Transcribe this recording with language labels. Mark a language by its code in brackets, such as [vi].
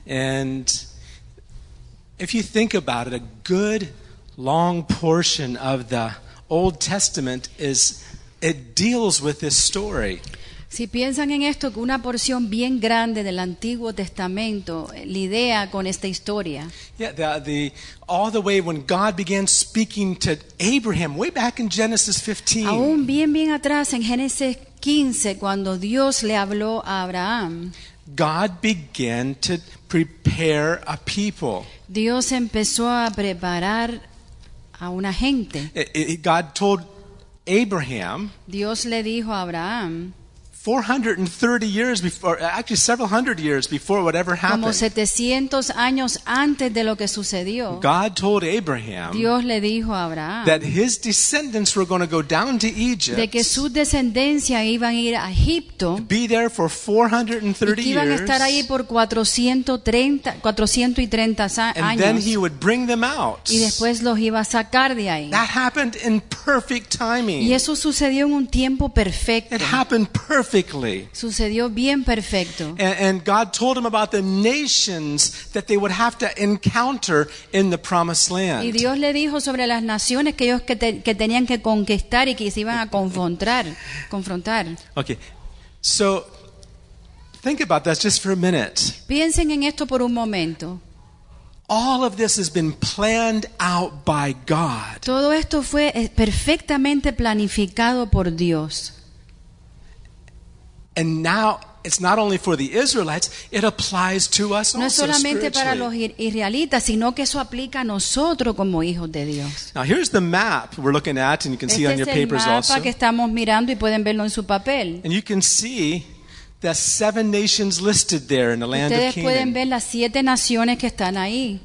[en] And if you think about it, a good long portion of the Old Testament is it deals with this story. [es] Si piensan en esto, que una porción bien grande del Antiguo Testamento lidia con esta historia. [en] Yeah, all the way when God began speaking to Abraham, way back in Genesis 15. [es] Aún bien atrás en Génesis 15, cuando Dios le habló a Abraham. [en] God began to prepare a people. [es] Dios empezó a preparar a una gente. [en] God told Abraham. [es] Dios le dijo a Abraham. [en] 430 years before, actually several hundred years before whatever happened. [es] Como 700 años antes de lo que sucedió. [en] God told Abraham, [es] Dios le dijo a Abraham [en] that his descendants were going to go down to Egypt. [es] De que su descendencia iban a ir a Egipto. [en] Be there for 430 years. [es] Iban a estar ahí por 430 años. [en] And then he would bring them out. [es] Y después los iba a sacar de ahí. [en] That happened in perfect timing. [es] Y eso sucedió en un tiempo perfecto. [en] It happened perfectly. [es] Sucedió bien perfecto. [en] And God told him about the nations that they would have to encounter in the promised land. [es] Y Dios le dijo sobre las naciones que ellos que tenían que conquistar y que se iban a confrontar. [en] Okay. So think about that just for a minute. [es] Piensen en esto por un momento. [en] All of this has been planned out by God. [es] Todo esto fue perfectamente planificado por Dios. [en] And now it's not only for the Israelites, it applies to us also spiritually. [es] No solamente para los israelitas, sino que eso aplica a nosotros como hijos de Dios. [en] Now here's the map we're looking at, and you can see on your papers also. [es] Este es el mapa que estamos mirando y pueden verlo en su papel. [en] And you can see the seven nations listed there in the land of Canaan. [es] Ustedes pueden ver las siete naciones que están ahí.